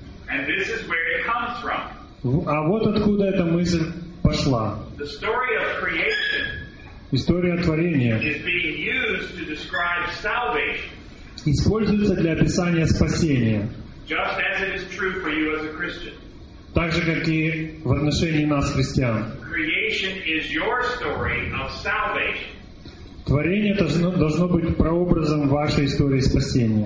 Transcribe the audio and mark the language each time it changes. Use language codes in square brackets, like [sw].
[en] And this is where it comes from. [ru] А вот откуда эта мысль пошла. [en] The story of creation. [ru] История творения. [en] Is being used to describe salvation. [ru] Используется для описания спасения. [en] Just as it is true for you as a Christian. [ru] Так же, как и в отношении нас, христиан. [en] Creation is your story of salvation. [ru] Творение должно быть прообразом вашей истории спасения.